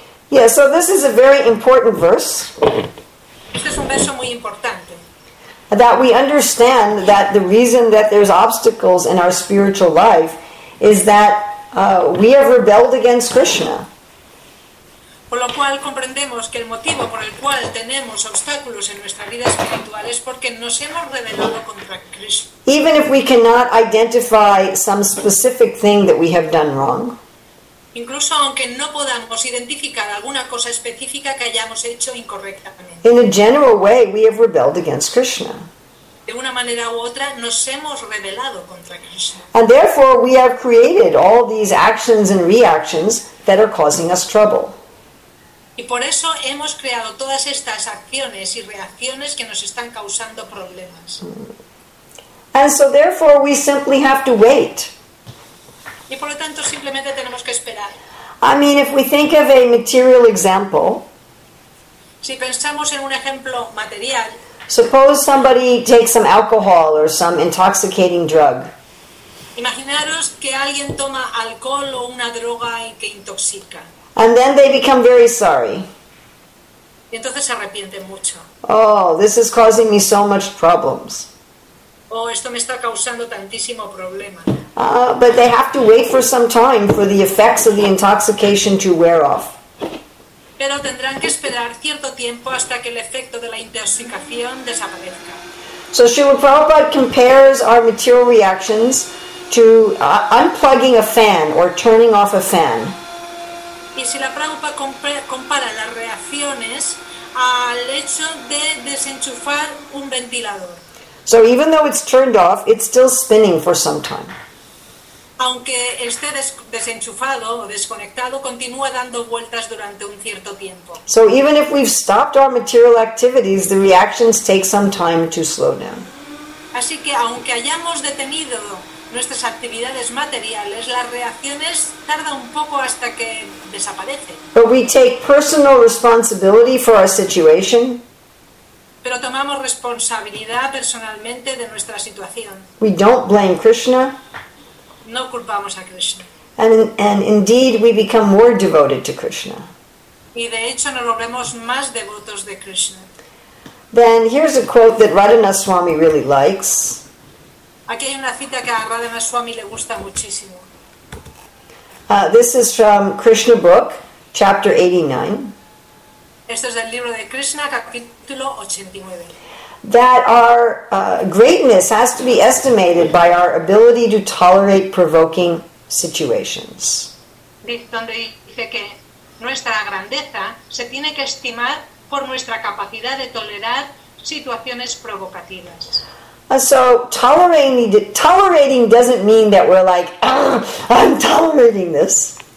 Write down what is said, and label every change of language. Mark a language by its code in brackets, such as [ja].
[en] Yeah, so this is a very important verse. [es] Este es un verso muy importante. [en] That we understand that the reason that there's obstacles in our spiritual life is that we have rebelled against Krishna. [es] Por lo cual comprendemos que el motivo por el cual tenemos obstáculos en nuestra vida espiritual es porque nos hemos rebelado contra Krishna. [en] Even if we cannot identify some specific thing that we have done wrong. [es] Incluso aunque no podamos identificar alguna cosa específica que hayamos hecho incorrectamente. [en] In a general way, we have rebelled against Krishna. [es] De una manera u otra, nos hemos rebelado contra Krishna. [en] And therefore, we have created all these actions and reactions that are causing us trouble. [es] Y por eso hemos creado todas estas acciones y reacciones que nos están causando problemas. [en] And so therefore we simply have to wait. [es] Y por lo tanto simplemente tenemos que esperar. [en] I mean, if we think of a material example, [es] si pensamos en un ejemplo material, [en] suppose somebody takes some alcohol or some intoxicating drug. [es] Imaginaros que alguien toma alcohol o una droga y que intoxica. [en] And then they become very sorry. [es] Y entonces se arrepienten mucho. [en] Oh, this is causing me so much problems. [es] Oh, esto me está causando tantísimo problema. [en] But they have to wait for some time for the effects of the intoxication to wear off. [es] Pero tendrán que esperar cierto tiempo hasta que el efecto de la intoxicación desaparezca. [en] So Srila Prabhupada compares our material reactions to unplugging a fan or turning off a fan. [es] Y si la Prabhupada compara las reacciones al hecho de desenchufar un ventilador. [en] So even though it's turned off, it's still spinning for some time. [es] Aunque esté desenchufado o desconectado, continúa dando vueltas durante un cierto tiempo. [en] So even if we've stopped our material activities, the reactions take some time to slow down. [es] Así que aunque hayamos detenido nuestras actividades materiales, las reacciones tardan un poco hasta que desaparecen. [en] But we take personal responsibility for our situation. [es] Pero tomamos responsabilidad personalmente de nuestra situación. [en] We don't blame Krishna. [es] No culpamos a Krishna. [en] And indeed we become more devoted to Krishna. [es] Y de hecho nos volvemos más devotos de Krishna. [en] Then here's a quote that Radhana Swami really likes. [es] Aquí hay una cita que a Radhana Swami le gusta muchísimo. [en] This is from Krishna Book, chapter 89. [es] Esto es del libro de Krishna, capítulo 89. [en] That our greatness has to be estimated by our ability to tolerate provoking situations. [es] Donde dice que nuestra grandeza se tiene que estimar por nuestra capacidad de tolerar situaciones provocativas. [en] So tolerating doesn't mean that we're like, I'm tolerating this.